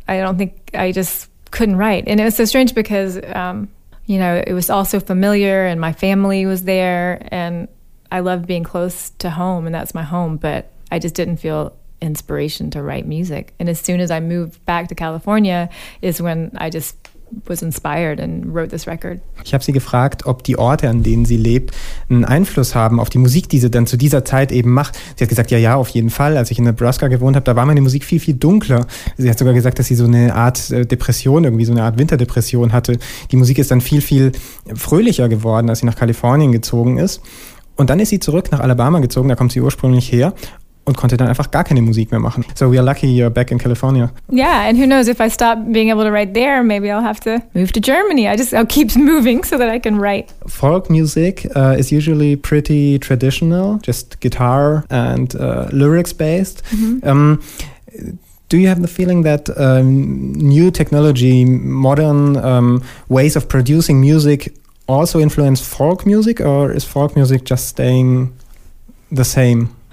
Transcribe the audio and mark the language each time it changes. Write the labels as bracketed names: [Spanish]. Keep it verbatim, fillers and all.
[English] I don't think, I just couldn't write. And it was so strange because, um, you know, it was all so familiar, and my family was there, and I love being close to home, and that's my home, but I just didn't feel inspiration to write music. And as soon as I moved back to California is when I just was inspired and wrote this record. [German] Ich habe sie gefragt, ob die Orte, an denen sie lebt, einen Einfluss haben auf die Musik, die sie dann zu dieser Zeit eben macht. Sie hat gesagt, ja, ja, auf jeden Fall. Als ich in Nebraska gewohnt habe, da war meine Musik viel, viel dunkler. Sie hat sogar gesagt, dass sie so eine Art Depression, irgendwie so eine Art Winterdepression hatte. Die Musik ist dann viel, viel fröhlicher geworden, als sie nach Kalifornien gezogen ist. Und dann ist sie zurück nach Alabama gezogen, da kommt sie ursprünglich her. Und konnte dann einfach gar keine Musik mehr machen. [English] So we are lucky you're back in California. Yeah, and who knows, if I stop being able to write there, maybe I'll have to move to Germany. I just, I'll keep moving so that I can write. Folk music uh, is usually pretty traditional, just guitar and uh, lyrics based. Mm-hmm. Um, do you have the feeling that um, new technology, modern um, ways of producing music also influence folk music, or is folk music just staying the same?